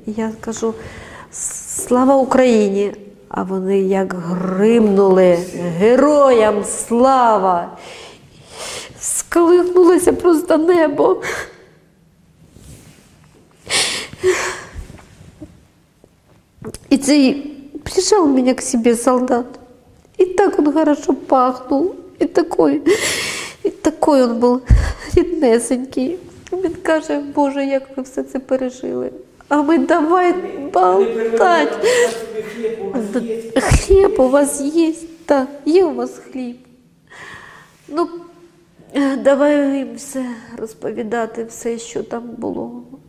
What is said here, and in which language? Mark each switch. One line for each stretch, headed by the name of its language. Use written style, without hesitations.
Ukrainian: І я кажу: слава Україні! А вони як гримнули: героям слава! Сколихнулося просто небо. І цей прийшов мене
Russian: к себе
Ukrainian: солдат.
Russian: И так он хорошо пахнул, и такой он был
Ukrainian: ріднесенький. Він каже: Боже, як ви все це пережили. А ми
Russian: давай болтать.
Ukrainian: Хліб у вас є? Так, є у вас хліб. Ну, давай їм все розповідати, все, що там було.